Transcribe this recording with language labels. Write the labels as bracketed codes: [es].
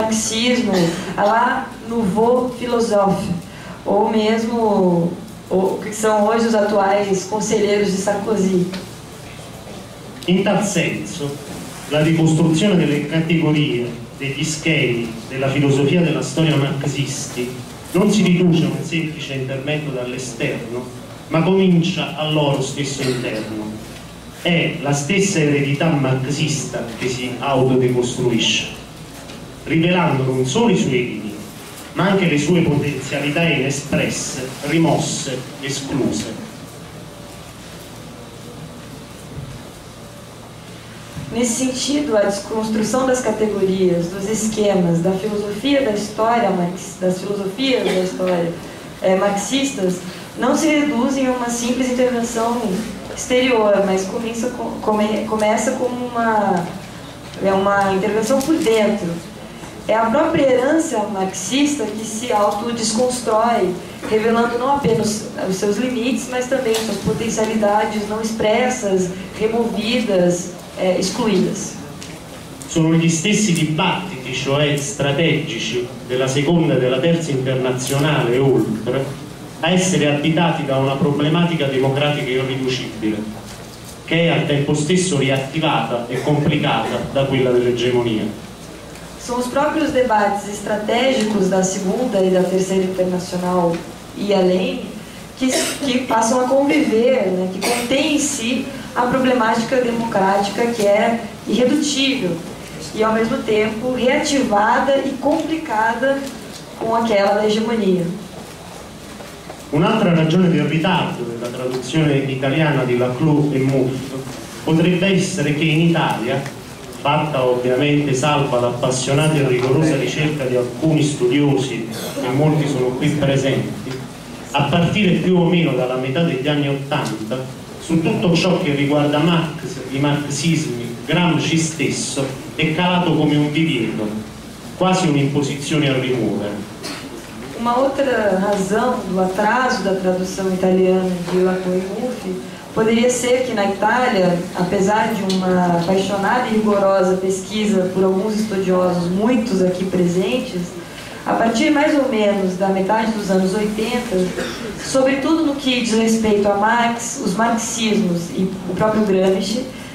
[pt] marxismo, lá no Nouveau Philosophe, ou mesmo o que são hoje os atuais conselheiros de Sarkozy. [it] In tal senso, la ricostruzione delle categorie, degli schemi, della filosofia della storia marxisti non si riduce a un semplice intervento dall'esterno, ma comincia al loro stesso interno. È la stessa eredità marxista che si autodecostruisce, rivelando non solo i suoi limiti, ma anche le sue potenzialità inespresse, rimosse, escluse. [pt] Nesse sentido, a desconstrução das categorias, dos esquemas, da filosofia da história, das filosofias da história marxistas, não se reduzem a uma simples intervenção exterior, mas começa como uma intervenção por dentro. É a própria herança marxista que se autodesconstrói, revelando não apenas os seus limites, mas também suas potencialidades não expressas, removidas, escluídas. [it] Sono gli stessi dibattiti, cioè strategici, della seconda e della terza internazionale e oltre, a essere abitati da una problematica democratica irriducibile, che è al tempo stesso riattivata e complicata da quella dell'egemonia. [pt] São os próprios debates estratégicos da segunda e da terceira internacional e além que passam a conviver, né, que contém em si a problemática democrática que é irredutível e ao mesmo tempo reativada e complicada com aquela da hegemonia. [it] Un'altra ragione del ritardo della traduzione italiana di Laclau e Mouffe potrebbe essere che in Italia, fatta ovviamente salva l'appassionata e rigorosa ricerca di alcuni studiosi, e molti sono qui presenti, a partire più o meno dalla metà degli anni Ottanta, su tutto ciò che riguarda Marx, i marxismi, Gramsci stesso, è calato come un divieto, quasi un'imposizione a rimuovere. [pt] Uma outra razão do atraso da tradução italiana de Laclau e Mouffe poderia ser que na Itália, apesar de uma apaixonada e rigorosa pesquisa por alguns estudiosos, muitos aqui presentes, a partir mais ou menos da metade dos anos 80, sobretudo no que diz respeito a Marx, os marxismos e o próprio Gramsci,